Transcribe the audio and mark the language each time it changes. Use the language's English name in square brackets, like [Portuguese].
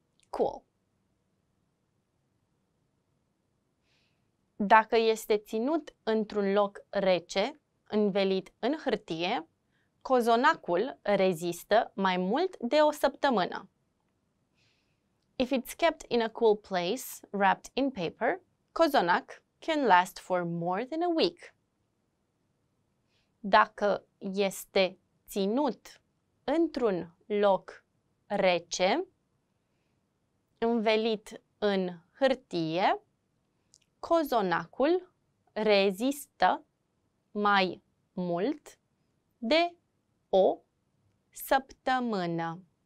[English] Cool. [Romanian] Dacă este ținut într-un loc rece, învelit în hârtie, cozonacul rezistă mai mult de o săptămână. [English] If it's kept in a cool place, wrapped in paper, cozonac can last for more than a week. [Romanian] Dacă este ținut într-un loc rece, învelit în hârtie, cozonacul rezistă mai mult de o săptămână.